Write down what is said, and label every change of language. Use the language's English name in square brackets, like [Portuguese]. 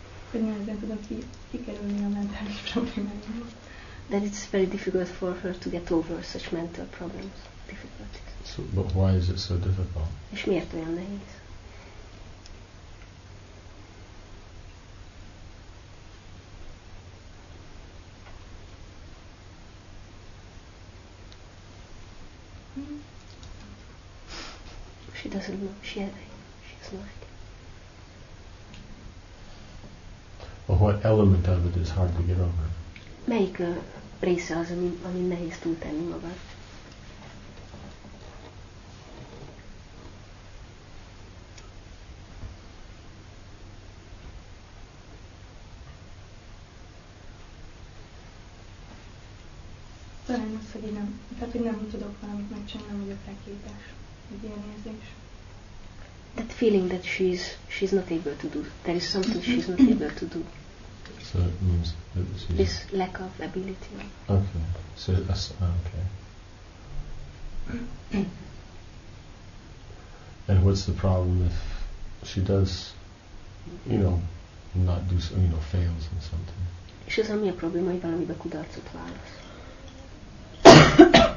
[Hungarian] Hogy nehezen tudok kikerülni a mentális problémáimat. [English] That it's very difficult for her to get over such mental problems, difficulties. So, but why is it so difficult? [Hungarian] És miért olyan nehéz? Mert [English] She doesn't know. She's like. Well, what element of it is hard to get over? [Hungarian] Melyik része az, ami nehéz túltenni magad? Talán az, hogy nem, tehát, hogy nem tudok valamit megcsinálni, nem vagyok rá képes. Egy ilyen érzés. [English] That feeling that she's not able to do. There is something she's not able to do. So it means that this is... This lack of ability. Okay. So that's... Okay. And what's the problem if she does, you know, not do so, you know, fails in something? [Hungarian] És az, ami a probléma, hogy valamiben kudarcot válasz.